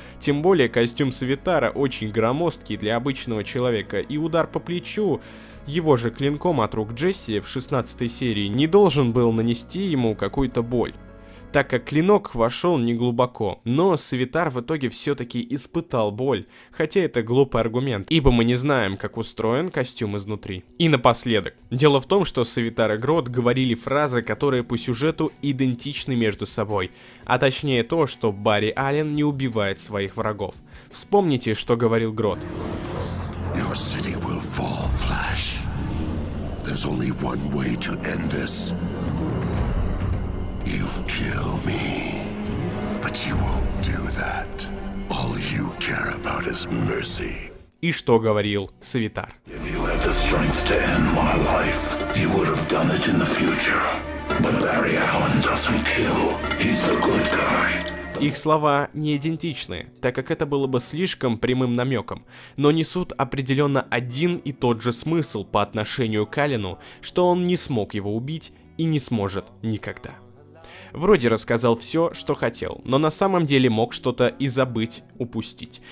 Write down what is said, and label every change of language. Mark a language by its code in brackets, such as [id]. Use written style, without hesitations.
[ru] Тем более, костюм Савитара очень громоздкий для обычного человека, и удар по плечу его же клинком от рук Джесси в 16-й серии не должен был нанести ему какую-то боль, так как клинок вошел неглубоко, но Савитар в итоге все-таки испытал боль, хотя это глупый аргумент, ибо мы не знаем, как устроен костюм изнутри. И напоследок. Дело в том, что Савитар и Грот говорили фразы, которые по сюжету идентичны между собой, а точнее то, что Барри Аллен не убивает своих врагов. Вспомните, что говорил Грот. [en] Your city will fall, Flash. There's only one way to end this. You kill me, but you won't do that. All you care about is mercy. [ru] И что говорил Савитар? [en] If you had the strength to end my life, you would have done it in the future. But Barry Allen doesn't kill. He's the good guy. [ru] Их слова не идентичны, так как это было бы слишком прямым намеком, но несут определенно один и тот же смысл по отношению к Аллену, что он не смог его убить и не сможет никогда. Вроде рассказал все, что хотел, но на самом деле мог что-то и забыть, упустить.